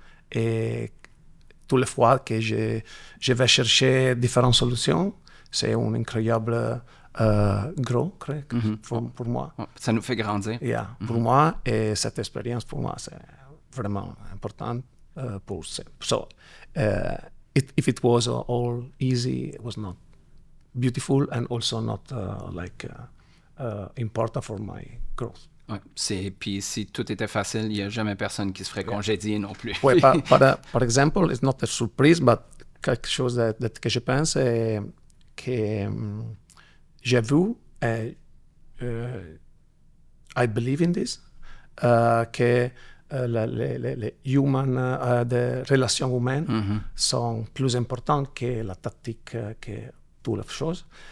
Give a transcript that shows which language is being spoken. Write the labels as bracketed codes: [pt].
[fr] Toutes les fois que je vais chercher différentes solutions, c'est un incroyable gros, crois, pour moi. Ça nous fait grandir. Yeah, pour moi, et cette expérience, pour moi, c'est vraiment important. Pour ça. [en] So, if it was all easy, it was not beautiful and also not like important for my growth. [fr] Et puis, si tout était facile, il n'y a jamais personne qui se ferait congédier non plus. Oui, par exemple, [en] it's not a surprise, [fr] but quelque chose que je pense, c'est que j'ai vu, et [en] I believe in this, [fr] que les humaines, les relations humaines sont plus importantes que la tactique, que toutes les choses.